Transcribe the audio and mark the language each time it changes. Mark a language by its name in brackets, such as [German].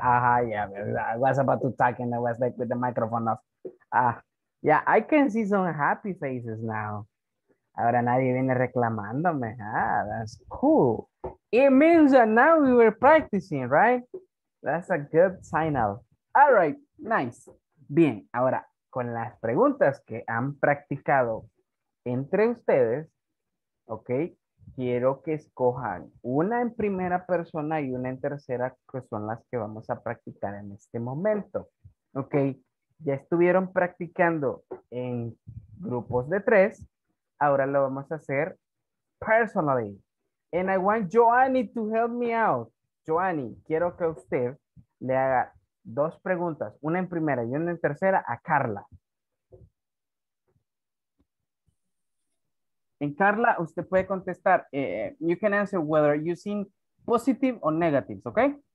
[English] I was about to talk and I was like with the microphone off. Yeah, I can see some happy faces now. [Spanish] Ahora nadie viene reclamándome. [English] That's cool. It means that now we were practicing, right? That's a good sign of. All right, nice. [Spanish] Bien, ahora con las preguntas que han practicado entre ustedes, ok, quiero que escojan una en primera persona y una en tercera, que son las que vamos a practicar en este momento. Ok, ya estuvieron practicando en grupos de tres, ahora lo vamos a hacer personally. [English] And I want Joanny to help me out. [Spanish] Joanny, quiero que usted le haga dos preguntas, una en primera y una en tercera, a Carla. En Carla, usted puede contestar, [English] you can answer whether using positive or negatives, okay?